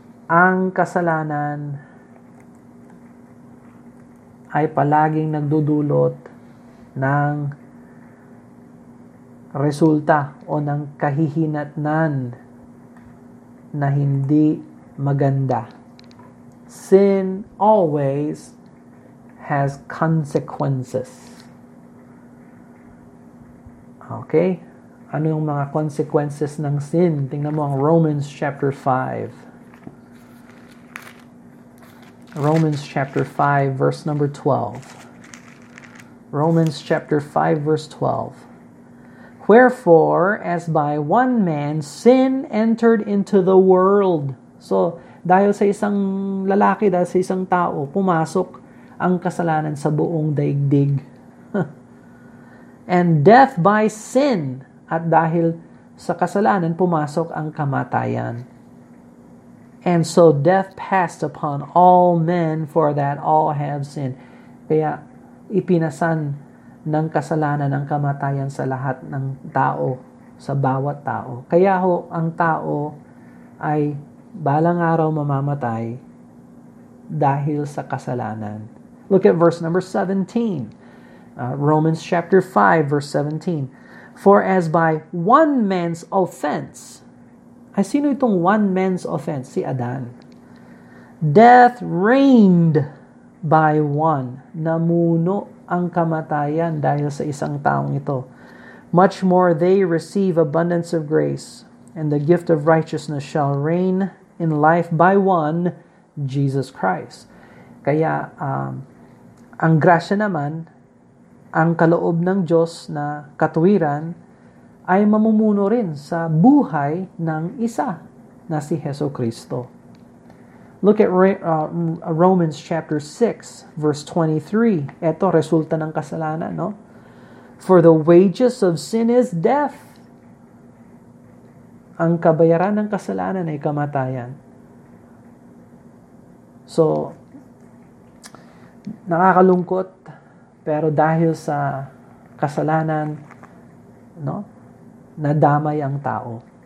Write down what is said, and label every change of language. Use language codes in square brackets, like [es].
[tl] Ang kasalanan ay palaging nagdudulot ng resulta o ng kahihinatnan na hindi maganda. [en] Sin always has consequences. Okay? [tl] Ano yung mga consequences ng sin? Tingnan mo ang Romans chapter 5. [en] Romans chapter 5, verse number 12. Romans chapter 5, verse 12. Wherefore, as by one man, sin entered into the world. [tl] So, dahil sa isang lalaki, dahil sa isang tao, pumasok ang kasalanan sa buong daigdig. And death by sin. At dahil sa kasalanan, pumasok ang kamatayan. [en] And so death passed upon all men for that all have sinned. [tl] Kaya ipinasan ng kasalanan ang kamatayan sa lahat ng tao, sa bawat tao. Kaya ho, ang tao ay balang araw mamamatay dahil sa kasalanan. [en] Look at verse number 17. Romans chapter 5, verse 17. For as by one man's offense, ay sino itong one man's offense? Si Adan. Death reigned by one. [tl] Namuno ang kamatayan dahil sa isang taong ito. [en] Much more they receive abundance of grace, and the gift of righteousness shall reign in life by one, Jesus Christ. [tl] Kaya, ang grasya naman, ang kaloob ng Diyos na katuwiran, ay mamumuno rin sa buhay ng isa na si Hesukristo. [en] Look at Romans chapter 6, verse 23. [tl] Ito, resulta ng kasalanan, no? [en] For the wages of sin is death. [tl] Ang kabayaran ng kasalanan ay kamatayan. So, nakakalungkot, pero dahil sa kasalanan, no, nadamay ang tao.